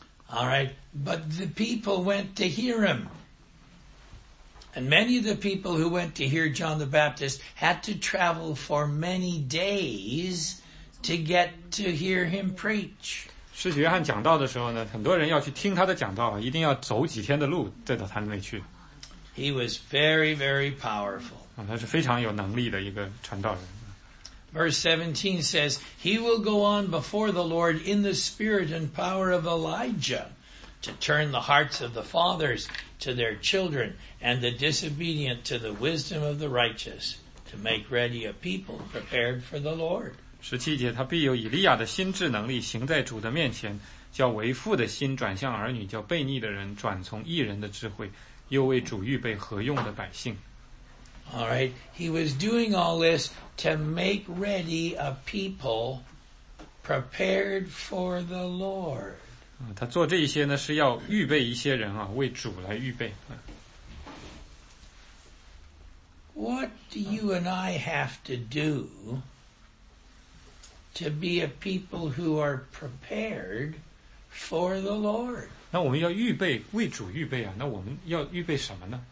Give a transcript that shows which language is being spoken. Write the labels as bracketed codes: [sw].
[en] All right, but the people went to hear him. And many of the people who went to hear John the Baptist had to travel for many days to get to hear him preach. [zh] 使徒约翰讲道的时候呢，很多人要去听他的讲道，一定要走几天的路再到他那里去。 [en] He was very, very powerful. [zh] 他是非常有能力的一个传道人。 [en] Verse 17 says, He will go on before the Lord in the spirit and power of Elijah to turn the hearts of the fathers to their children and the disobedient to the wisdom of the righteous to make ready a people prepared for the Lord. [zh] 17节他必有以利亚的心智能力行在主的面前叫为父的心转向儿女叫悖逆的人转从义人的智慧又为主预备何用的百姓。 [en] All right, he was doing all this to make ready a people prepared for the Lord. [zh] 他做这些呢，是要预备一些人啊，为主来预备。 [en] What do you and I have to do to be a people who are prepared for the Lord? [zh] 那我们要预备，为主预备啊，那我们要预备什么呢？